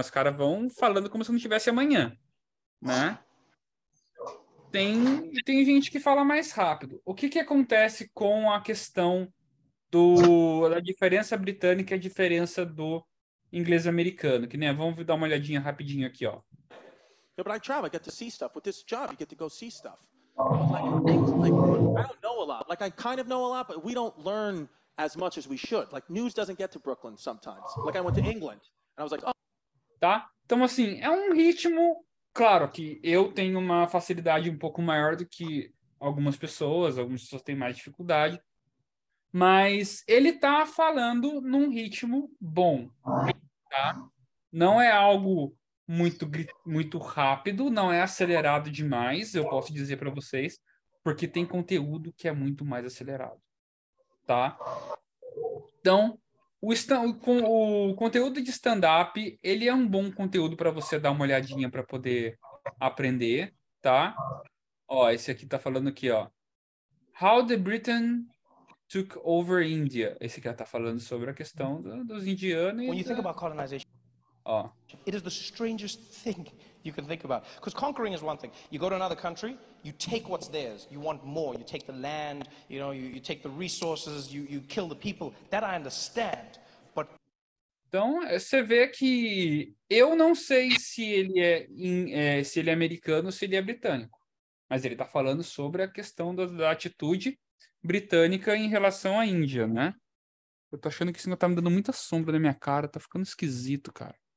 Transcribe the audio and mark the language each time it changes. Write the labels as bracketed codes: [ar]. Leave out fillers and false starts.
[pt] Os caras vão falando como se não tivesse amanhã, né? Tem gente que fala mais rápido. O que que acontece com a questão da diferença britânica e a diferença do inglês americano, que nem, né? Vamos dar uma olhadinha rapidinho aqui, ó. [en] Yeah, but I travel, I get to see stuff. With this job, you get to go see stuff. But like things like I don't know a lot. Like I kind of know a lot, but we don't learn as much as we should. Like news doesn't get to Brooklyn sometimes. Like I went to England and I was like, oh. [pt] Tá? Então, assim, é um ritmo. Claro que eu tenho uma facilidade um pouco maior do que algumas pessoas têm mais dificuldade. Mas ele tá falando num ritmo bom, tá? Não é algo muito, muito rápido, não é acelerado demais, eu posso dizer para vocês, porque tem conteúdo que é muito mais acelerado, tá? Então, o conteúdo de stand-up, ele é um bom conteúdo para você dar uma olhadinha para poder aprender, tá? Ó, esse aqui tá falando aqui, ó. [en] How the Britain took over India. [pt] Esse aqui tá falando sobre a questão dos indianos. [en] When you think about colonization, it is the strangest thing you can think about. Because conquering is one thing. You go to another country, you take what's theirs. You want more. You take the land, you know, you take the resources, you kill the people. That I understand. But... [pt] Então, você vê que eu não sei se ele é, se ele é americano ou se ele é britânico. Mas ele está falando sobre a questão da atitude britânica em relação à Índia, né? Eu tô achando que isso ainda tá me dando muita sombra na minha cara. Tá ficando esquisito, cara.